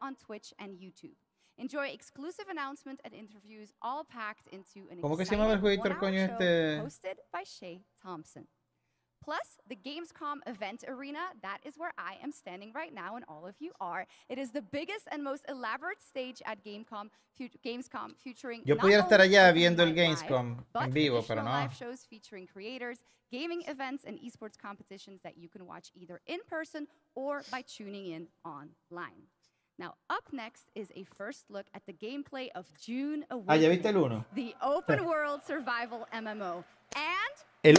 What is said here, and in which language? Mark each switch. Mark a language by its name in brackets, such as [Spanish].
[English] on Twitch and YouTube. Enjoy exclusive announcements and interviews all packed into an exciting show hosted by Shay Thompson. Plus, the Gamescom event arena, that is where I am standing right now and all of you are. It is the biggest and most elaborate stage at Gamescom, Gamescom featuring [Spanish] yo pudiera estar allá viendo el Gamescom en vivo, pero no. [English] Live shows featuring creators, gaming events and esports competitions that you can watch either in person or by tuning in online. Now, up next is a first look at the gameplay of June Awakening. [Spanish] Ah, ya viste el uno. [English] The open world survival MMO. And